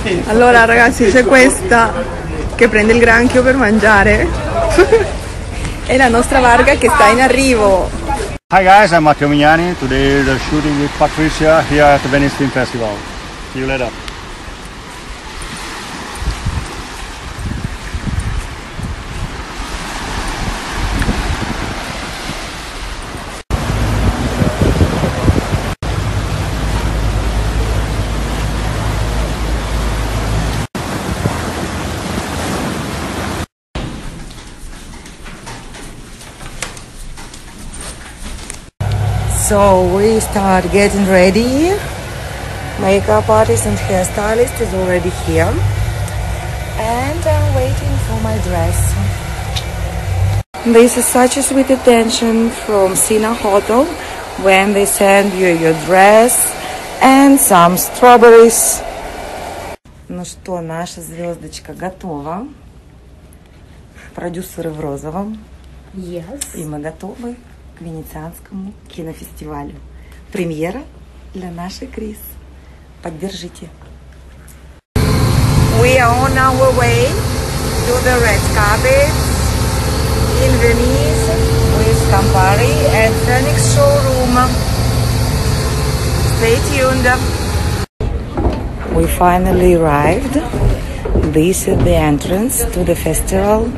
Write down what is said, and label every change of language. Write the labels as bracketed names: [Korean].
[Italian] Allora ragazzi, c'è questa che prende il granchio per mangiare. È la nostra barca che sta in arrivo. [English] Hi guys, I'm Matteo Mignani. Today is a shooting with Patricia here at the Venice Film Festival. See you later. So we start getting ready. Makeup artist and hairstylist is already here. And I'm waiting for my dress. This is such a sweet attention from Sina Hotel when they send you your dress and some strawberries. [Russian] Ну что, наша звездочка готова. Продюсеры в розовом. [English] Yes. [Russian] И мы готовы. К Венецианскому кинофестивалю. Премьера для нашей Крис. Поддержите. [English] We are on our way to the red carpet in Venice with Campari and Phoenix Showroom. Stay tuned. We finally arrived. This is the entrance to the festival.